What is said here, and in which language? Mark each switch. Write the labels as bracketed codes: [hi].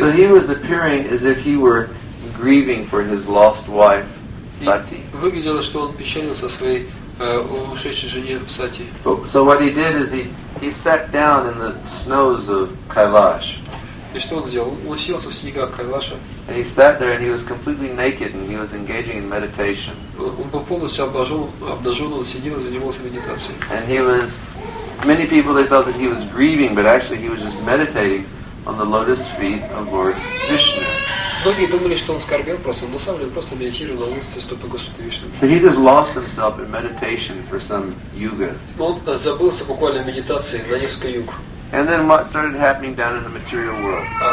[en] So he was appearing as if he were grieving for his lost wife Sati. [ru] Выглядело, что он печалился о своей ушедшей жене Сати. [en] So what he did is he sat down in the snows of Kailash. [ru] И что он сделал? Он уселся в снегах Кайлаша. [en] And he sat there and he was completely naked and he was engaging in meditation. [ru] Он был полностью обнажен, он сидел и занимался медитацией. [en] And he was, many people they thought that he was grieving, but actually he was just meditating on the lotus feet of Lord Vishnu. [ru] Многие думали, что он скорбел просто, но на самом деле просто медитировал на лотосе стопы Господа Вишну. [en] So he just lost himself in meditation for some yugas. [ru] Он забылся буквально в медитации на несколько юг. [en] And then what started happening down in the material world?